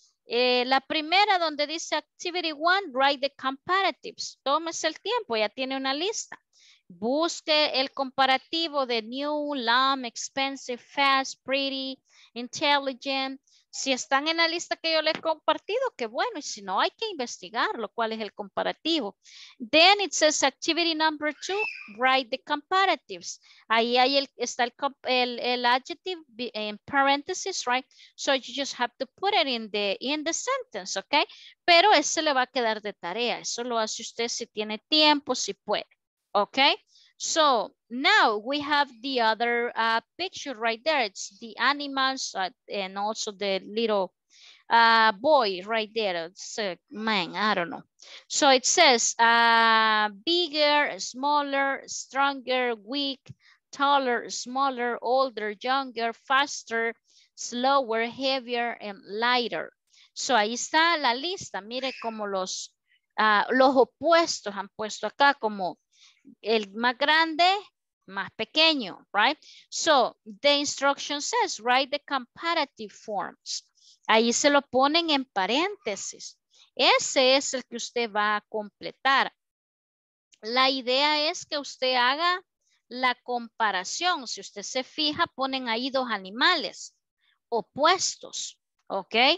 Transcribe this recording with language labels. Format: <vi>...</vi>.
<es>La primera donde dice</es> <en>Activity 1, write the comparatives.</en> <es>Tómese el tiempo, ya tiene una lista. Busque el comparativo de new, lame, expensive, fast, pretty, intelligent. Si están en la lista que yo les he compartido, qué bueno. Y si no, hay que investigarlo, cuál es el comparativo.</es> <en>Then it says activity number 2, write the comparatives.</en> <es>Ahí hay el</es> <en>adjective in parentheses, right? So you just have to put it in the sentence, ¿ok?</en> <es>Pero ese le va a quedar de tarea. Eso lo hace usted si tiene tiempo, si puede, ¿ok?</es> <en>So now we have the other picture right there. It's the animals and also the little boy right there. It's a man, I don't know. So it says bigger, smaller, stronger, weak, taller, smaller, older, younger, faster, slower, heavier, and lighter.</en> <es>So ahí está la lista. Mire como los opuestos han puesto acá como el más grande, más pequeño, right?</es> <en>So, the instruction says, write the comparative forms.</en> <es>Ahí se lo ponen en paréntesis. Ese es el que usted va a completar. La idea es que usted haga la comparación. Si usted se fija, ponen ahí dos animales opuestos, ¿ok?</es>